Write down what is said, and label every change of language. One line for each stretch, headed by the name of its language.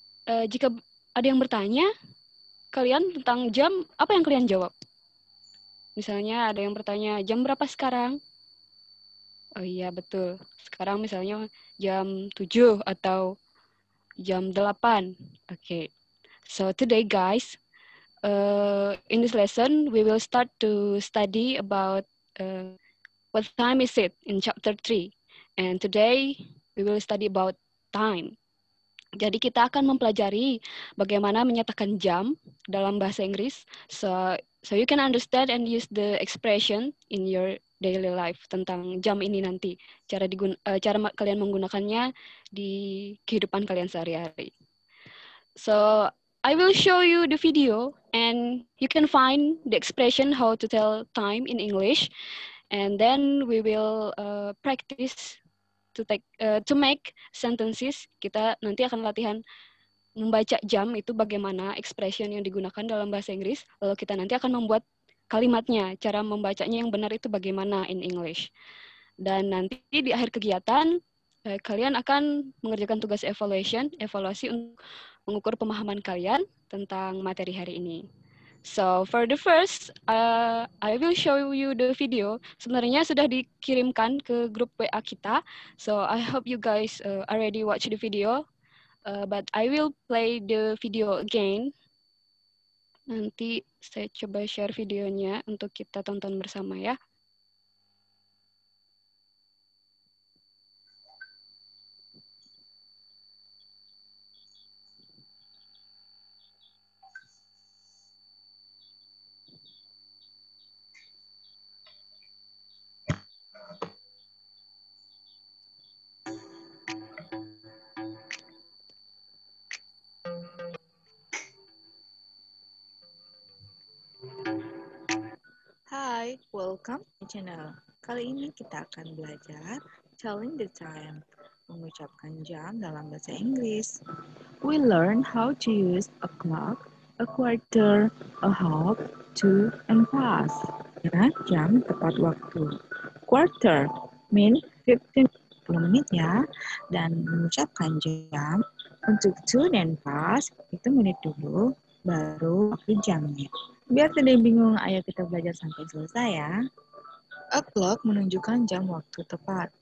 Indonesian: Jika ada yang bertanya kalian tentang jam, apa yang kalian jawab? Misalnya ada yang bertanya, jam berapa sekarang? Oh iya, betul. Sekarang misalnya jam 7 atau jam 8.
English: Okay. So today guys, in this lesson, we will start to study about what time is it in chapter 3. And today, we will study about time.
Indonesian: Jadi kita akan mempelajari bagaimana menyatakan jam dalam bahasa Inggris.
English: So you can understand and use the expression in your daily life
Indonesian: tentang jam ini nanti. Cara kalian menggunakannya di kehidupan kalian sehari-hari.
English: So, I will show you the video and you can find the expression how to tell time in English. And then we will practice to make sentences.
Indonesian: Kita nanti akan latihan membaca jam itu bagaimana expression yang digunakan dalam bahasa Inggris. Lalu kita nanti akan membuat kalimatnya, cara membacanya yang benar itu bagaimana
English: in English.
Indonesian: Dan nanti di akhir kegiatan, kalian akan mengerjakan tugas evaluation, evaluasi untuk mengukur pemahaman kalian tentang materi hari ini.
English: So, for the first, I will show you the video.
Indonesian: Sebenarnya sudah dikirimkan ke grup WA kita.
English: So, I hope you guys already watch the video. But I will play the video again.
Indonesian: Nanti saya coba share videonya untuk kita tonton bersama ya.
English: Hi, welcome to my channel.
Indonesian: Kali ini kita akan belajar
English: telling the time,
Indonesian: mengucapkan jam dalam bahasa Inggris.
English: We learn how to use a clock, a quarter, a half, two, and past.
Indonesian: Ya, jam tepat waktu. Quarter mean 15 menit ya, dan mengucapkan jam untuk two and past itu menit dulu, baru waktu jamnya. Biar tidak bingung, ayo kita belajar sampai selesai ya. A clock menunjukkan jam waktu tepat.